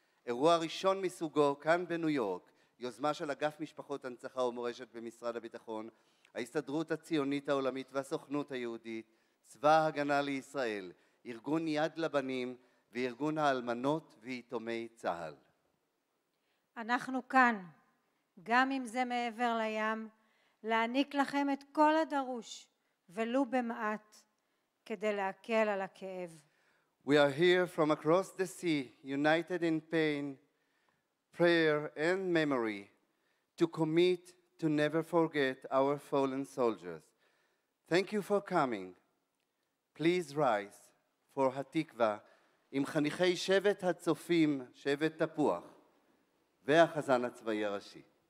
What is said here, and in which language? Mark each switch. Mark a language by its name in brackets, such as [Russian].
[Hebrew] אירוע ראשון מסוגו כאן בניו יורק, יוזמה של אגף משפחות הנצחה ומורשת במשרד הביטחון, ההסתדרות הציונית העולמית והסוכנות היהודית, צבא ההגנה לישראל, ארגון יד לבנים וארגון האלמנות ויתומי צה"ל. אנחנו כאן, גם אם זה מעבר לים, להעניק לכם את כל הדרוש ולו במעט, כדי להקל על הכאב. [English] We are here from across the sea, united in pain, prayer and memory, to commit to never forget our fallen soldiers. Thank you for coming. Please rise for [Hebrew] התקווה עם חניכי שבט הצופים, שבט תפוח, והחזן הצבאי הראשי.